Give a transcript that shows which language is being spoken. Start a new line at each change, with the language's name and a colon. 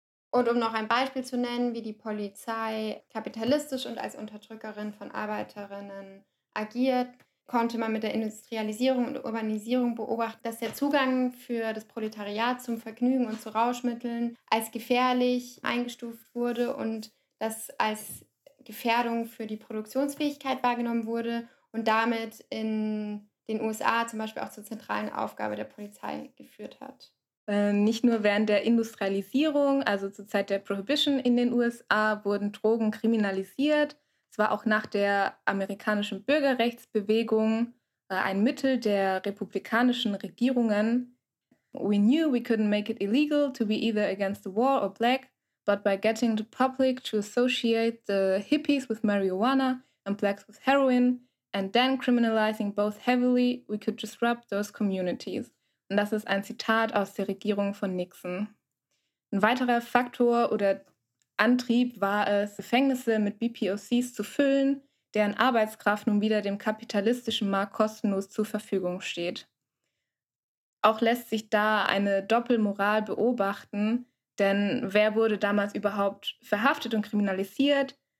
German: Und um noch ein Beispiel zu nennen, wie die Polizei kapitalistisch und als Unterdrückerin von Arbeiterinnen agiert, konnte man mit der Industrialisierung und Urbanisierung beobachten, dass der Zugang für das Proletariat zum Vergnügen und zu Rauschmitteln als gefährlich eingestuft wurde und das als Gefährdung für die Produktionsfähigkeit wahrgenommen wurde und damit in den USA zum Beispiel auch zur zentralen Aufgabe der Polizei geführt hat. Nicht nur während der Industrialisierung, also zur Zeit der Prohibition in den USA, wurden Drogen kriminalisiert. Es war auch nach der amerikanischen Bürgerrechtsbewegung ein Mittel der republikanischen Regierungen.
English: We knew we couldn't make it illegal to be either against the war or black, but by getting the public to associate the hippies with marijuana and blacks with heroin and then criminalizing both heavily, we could disrupt those communities.
German: Und das ist ein Zitat aus der Regierung von Nixon. Ein weiterer Faktor oder Antrieb war es, Gefängnisse mit BPOCs zu füllen, deren Arbeitskraft nun wieder dem kapitalistischen Markt kostenlos zur Verfügung steht. Auch lässt sich da eine Doppelmoral beobachten, denn wer wurde damals überhaupt verhaftet und kriminalisiert?